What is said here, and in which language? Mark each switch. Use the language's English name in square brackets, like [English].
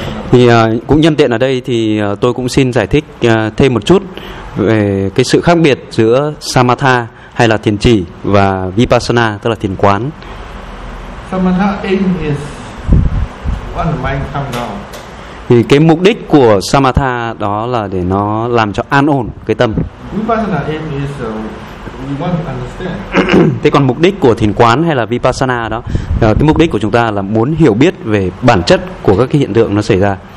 [Vietnamese] Thì cũng nhân tiện ở đây thì tôi cũng xin giải thích thêm một chút về cái sự khác biệt giữa Samatha hay là thiền chỉ và Vipassana, tức là thiền quán. [English] Samatha aim is when the mind calm down. [Vietnamese] Thì cái mục đích của Samatha đó là để nó làm cho an ổn cái tâm. [English] Vipassana aim is you want to understand. [Vietnamese] Thế còn mục đích của thiền quán hay là Vipassana đó, cái mục đích của chúng ta là muốn hiểu biết về bản chất của các cái hiện tượng nó xảy ra.